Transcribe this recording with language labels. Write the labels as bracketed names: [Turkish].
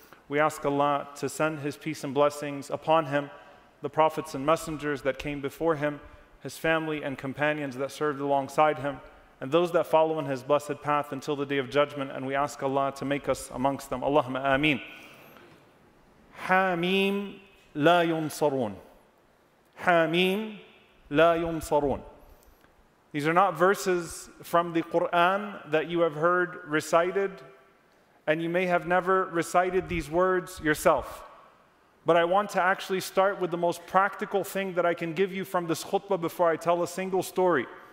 [English] We ask Allah to send His peace and blessings upon Him, the prophets and messengers that came before Him, His family and companions that served alongside Him, and those that follow in His blessed path until the Day of Judgment. And we ask Allah to make us amongst them. [Arabic] Allahumma ameen. Hameem. لا ينصرون حاميم لا ينصرون. [English] These are not verses from the Quran that you have heard recited, and you may have never recited these words yourself. But I want to actually start with the most practical thing that I can give you from this khutbah before I tell a single story.